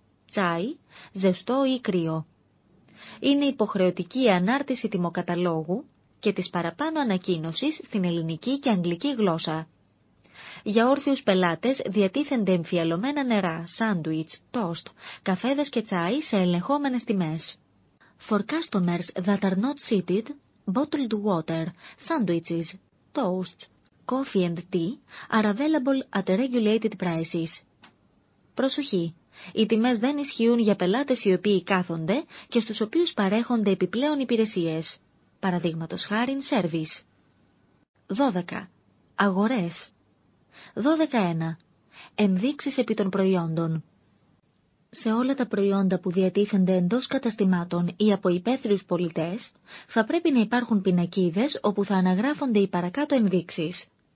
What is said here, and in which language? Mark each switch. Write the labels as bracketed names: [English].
[Greek] Τσάι, ζεστό ή κρύο. Είναι υποχρεωτική η ανάρτηση τιμοκαταλόγου και της παραπάνω ανακοίνωσης στην ελληνική και αγγλική γλώσσα. Για όρθιους πελάτες διατίθενται εμφιαλωμένα νερά, σάντουιτς, τόστ, καφέδες και τσάι σε ελεγχόμενες τιμές. [English] For customers that are not seated, bottled water, sandwiches, toasts, coffee and tea are available at regulated prices. [Greek] Προσοχή! Οι τιμές δεν ισχύουν για πελάτες οι οποίοι κάθονται και στους οποίους παρέχονται επιπλέον υπηρεσίες. Παραδείγματος χάριν service. 12. Αγορές. 12.1. Ενδείξεις επί των προϊόντων. Σε όλα τα προϊόντα που διατίθενται εντός καταστημάτων ή από υπαίθριους πολιτές, θα πρέπει να υπάρχουν πινακίδες όπου θα αναγράφονται οι παρακάτω ενδείξεις.